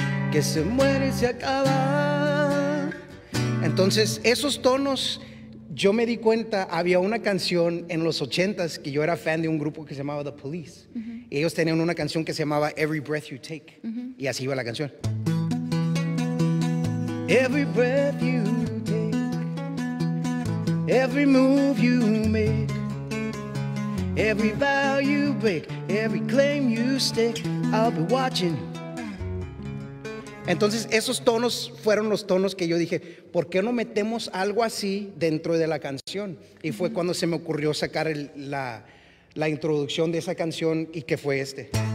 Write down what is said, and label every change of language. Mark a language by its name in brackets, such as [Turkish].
[Spanish] Que se muere y se acaba. Entonces, esos tonos, yo me di cuenta, había una canción en los 80s que yo era fan de un grupo que se llamaba The Police. Y ellos tenían una canción que se llamaba Every Breath You Take. Y así iba la canción. [English] Every breath you Every move you make, every vow you break, every claim you stake, I'll be watching. [Spanish] Entonces, esos tonos fueron los tonos que yo dije, ¿por qué no metemos algo así dentro de la canción? Y fue cuando se me ocurrió sacar la introducción de esa canción y que fue este.